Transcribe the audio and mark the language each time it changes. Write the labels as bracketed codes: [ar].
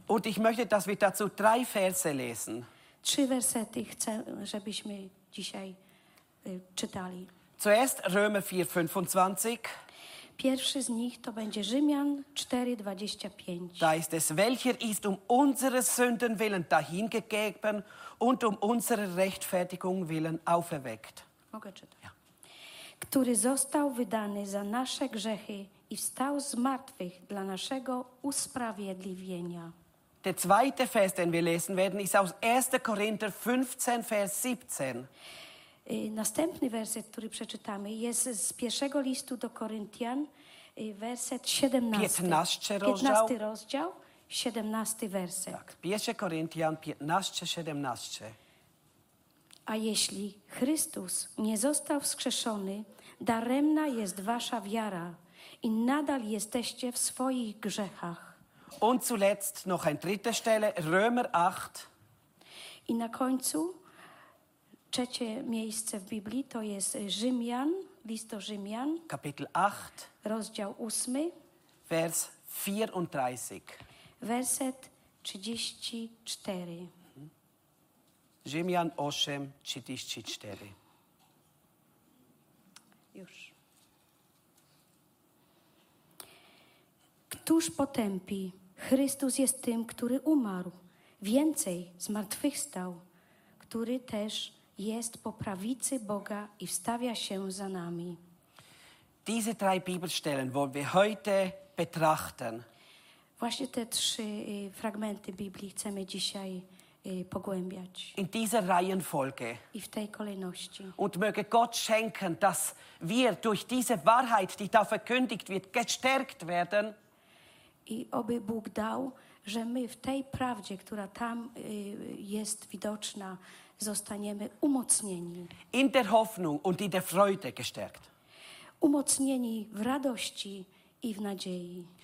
[de] Und ich möchte, dass wir dazu drei Verse lesen. [pl] Trzy wersety chcę, żebyśmy dzisiaj czytali. [de] Zuerst Römer 4:25. [pl] Pierwszy z nich to będzie Rzymian 4:25. [de] Da ist es, welcher ist um unseres Sünden willen dahingegeben und um unsere Rechtfertigung willen auferweckt. [pl] Mogę czytać. Ja. Który został wydany za nasze grzechy i wstał z martwych dla naszego usprawiedliwienia. [de] Der zweite Vers, den wir lesen werden, ist aus 1. Korinther 15, Vers 17. [pl] Następny werset, który przeczytamy, jest z pierwszego listu do Koryntian, werset 17. 15 rozdział, 17 werset. Tak, 1 Koryntian 15, 17. A jeśli Chrystus nie został wskrzeszony, daremna jest wasza wiara i nadal jesteście w swoich grzechach. [de] Und zuletzt noch ein dritte Stelle, Römer 8. [pl] I na końcu trzecie miejsce w Biblii to jest Rzymian, list do Rzymian. [de] Kapitel 8, [pl] rozdział 8, [de] vers 34. [pl] Werset 34. Rzymian 8, 34. Już. Któż potępi? Chrystus jest tym, który umarł. Więcej, zmartwychwstał, który też jest po prawicy Boga i wstawia się za nami. [de] Diese drei Bibelstellen wollen wir heute betrachten. [pl] Właśnie te trzy fragmenty Biblii chcemy dzisiaj pogłębiać. [de] In dieser Reihenfolge. [pl] I w tej kolejności. [de] Und möge Gott schenken, dass wir durch diese Wahrheit, die da verkündigt wird, gestärkt werden. [pl] I oby Bóg dał, że my w tej prawdzie, która tam jest widoczna, zostaniemy umocnieni. [de] In der Hoffnung und in der Freude gestärkt. [pl] Umocnieni w radości i w nadziei.